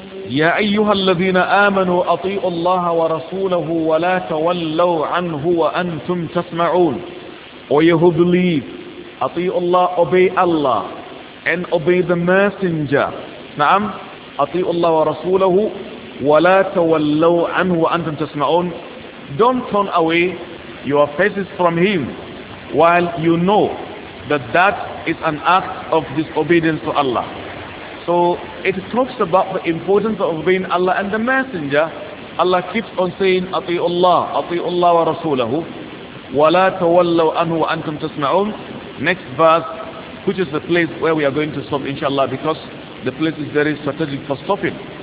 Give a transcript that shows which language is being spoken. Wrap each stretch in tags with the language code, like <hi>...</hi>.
<ar>يا أيها الذين آمنوا أطيعوا الله ورسوله ولا تولوا عنه وأنتم تسمعون.</ar> <en>Or you who believe,</en> <ar>أطيعوا الله,</ar> <en>obey Allah and obey the messenger.</en> <ar>نعم, أطيعوا الله ورسوله ولا تولوا عنه وأنتم تسمعون.</ar> <en>Don't turn away your faces from him while you know that that is an act of disobedience to Allah. So it talks about the importance of obeying Allah and the Messenger. Allah keeps on saying</en> <ar>أطيعوا الله, أطيعوا الله ورسوله ولا تولوا عنه وأنتم تسمعون.</ar> <en>Next verse, which is the place where we are going to stop inshallah, because the place is very strategic for stopping.</en>